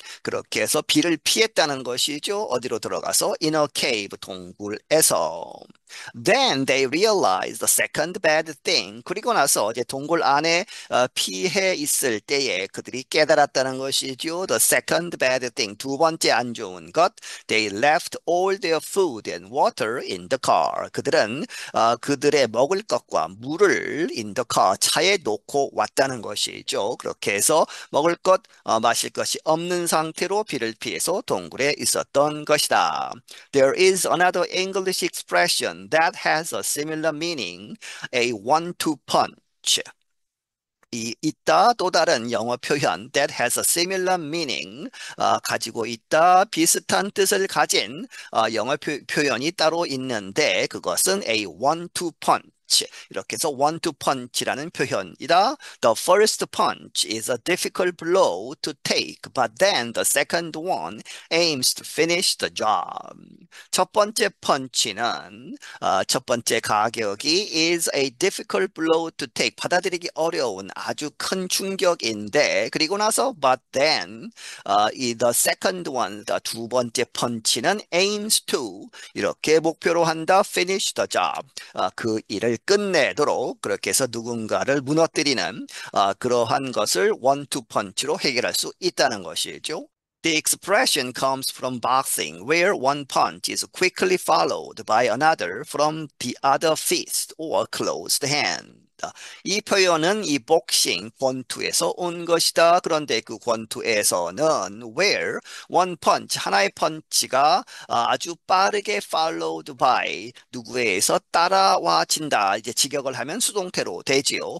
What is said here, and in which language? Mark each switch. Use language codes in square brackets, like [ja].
[ko] 그렇게 해서 비를 피했다는 것이죠. 어디로 들어가서? [en] In a cave, [ko] 동굴에서. [en] Then they realized the second bad thing. [ko] 그리고 나서 이제 동굴 안에 피해 있을 때에 그들이 깨달았다는 것이죠. [en] The second bad thing. [ko] 두 번째 안 좋은 것. [en] They left all their food and water in the car. [ko] 그들은 그들의 먹을 것과 물을 [en] in the car [ko] 차에 놓고 왔다는 것이죠. 그렇게 해서 먹을 것, 마실 것이 없는 상태로 비를 피해서 동굴에 있었던 것이다. [en] There is another English expression that has a similar meaning, a one-two punch. [ko] 있다, 또 다른 영어 표현, [en] that has a similar meaning, [ko] 가지고 있다, 비슷한 뜻을 가진 영어 표현이 따로 있는데, 그것은 [en] a one-two punch. [ko] 이렇게 해서 one to punch라는 표현이다. [en] The first punch is a difficult blow to take, but then the second one aims to finish the job. [ko] 첫 번째 펀치는 첫 번째 가격이 [en] is a difficult blow to take. [ko] 받아들이기 어려운 아주 큰 충격인데, 그리고 나서 [en] but then the second one, [ko] 두 번째 펀치는 [en] aims to [ko] 이렇게 목표로 한다. [en] finish the job. [ko] 그 일을 끝내도록 그렇게 해서 누군가를 무너뜨리는 그러한 것을 원투 펀치로 해결할 수 있다는 것이죠. [en] The expression comes from boxing, where one punch is quickly followed by another from the other fist or closed hand. [ko] 이 표현은 이 복싱 권투에서 온 것이다. 그런데 그 권투에서는 [en] where one punch [ko] 하나의 펀치가 아주 빠르게 [en] followed by [ko] 누구에서 따라와진다. 이제 직역을 하면 수동태로 되지요.